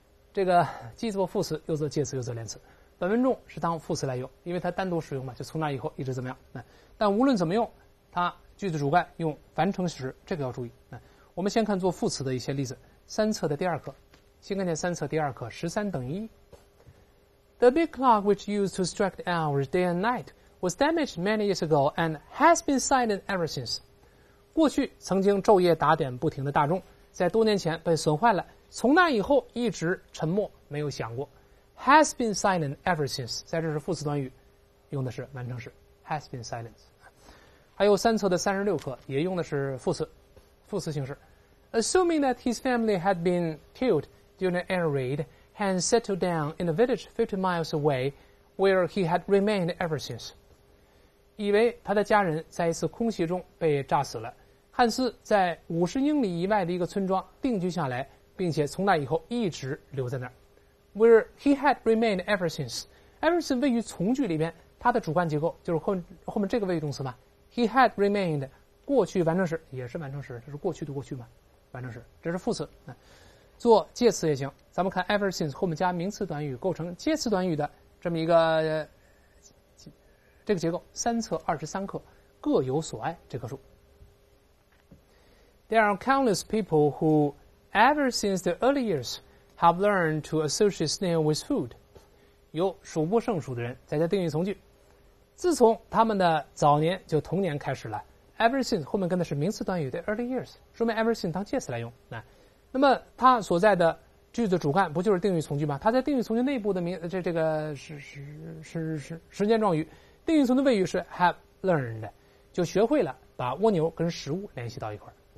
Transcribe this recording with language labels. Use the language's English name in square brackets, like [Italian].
[Chinese] 这个既做副词，又做介词，又做连词。本文中是当副词来用，因为它单独使用嘛，就从那以后一直怎么样？但无论怎么用，它句子主干用完成时，这个要注意。我们先看做副词的一些例子。三册的第二课，先看见三册第二课13:1。 [English] The big clock which used to strike the hours day and night was damaged many years ago and has been silent ever since. [Chinese] 过去曾经昼夜打点不停的大钟，在多年前被损坏了，从那以后一直沉默没有响过。 [English] has been silent ever since. [Chinese] 在这是副词短语，用的是完成式 [English] has been silent。 [Chinese] 还有三册的36课也用的是副词，副词形式。 [English] Assuming that his family had been killed during an air raid, Han settled down in a village 50 miles away, where he had remained ever since. [Chinese] 以为他的家人在一次空袭中被炸死了，汉斯在50英里以外的一个村庄定居下来，并且从那以后一直留在那儿。 [English] Where he had remained ever since. [Chinese] Ever since 位于从句里面，它的主干结构就是后面这个谓语动词嘛。 [English] He had remained [Chinese] 过去完成时也是完成时，这是过去的过去嘛，完成时，这是副词，做介词也行。咱们看 ever since 后面加名词短语构成介词短语的这么一个这个结构，三册23课各有所爱这棵树。 [English] There are countless people who ever since the early years have learned to associate snail with food. [Chinese] 有数不胜数的人，再加定语从句，自从他们的早年就童年开始了。 Ever since 后面跟的是名词短语的 early years， 说明 ever since 当介词来用。那么他所在的句子主干不就是定语从句吗？他在定语从句内部的名这个时间状语，定语从的谓语是 have learned， 就学会了把蜗牛跟食物联系到一块儿。